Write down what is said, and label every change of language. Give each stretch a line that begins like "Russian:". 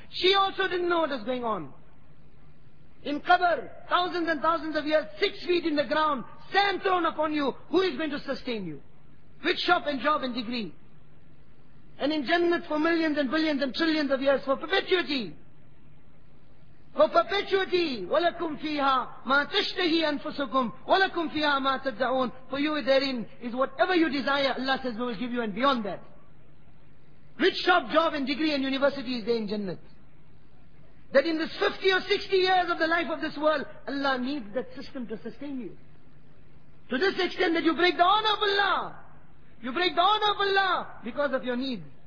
English: She also didn't know what was going on. In Qabr, thousands and thousands of years, 6 feet in the ground, sand thrown upon you, who is going to sustain you? Which shop and job and degree? And in Jannat for millions and billions and trillions of years, for perpetuity. For perpetuity,
Arabic: وَلَكُمْ فِيهَا مَا تَشْتَهِي أَنفُسُكُمْ وَلَكُمْ فِيهَا مَا تَدَّعُونَ.
English: For you therein is whatever you desire, Allah says, we will give you, and beyond that. Which shop, job and degree and university is there in Jannat? That in this 50 or 60 years of the life of this world, Allah needs that system to sustain you. To this extent that you break the honor of Allah. You break the honor of Allah because of your needs.